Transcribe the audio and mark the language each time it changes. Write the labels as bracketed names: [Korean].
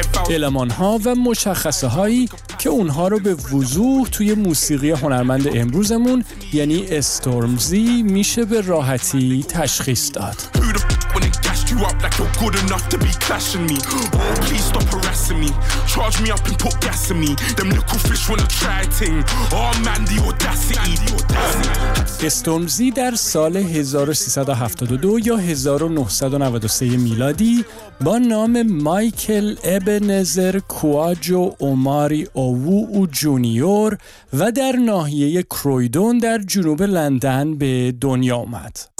[Persian] المان ها و مشخصه هایی که اونها رو به وضوح توی موسیقی هنرمند امروزمون یعنی استورمزی میشه به راحتی تشخیص داد. [English] Up like you're good enough to be clashing me. Oh, please stop harassing me. Charge me up and put gas in me. Them little fish wanna try thing. Oh man, the audacity. [Persian] استورمزی در سال 1372 یا 1993 میلادی با نام مایکل ابنزر کواجو اوماری اوو او جونیور و در ناحیه کرویدون در جنوب لندن به دنیا آمد.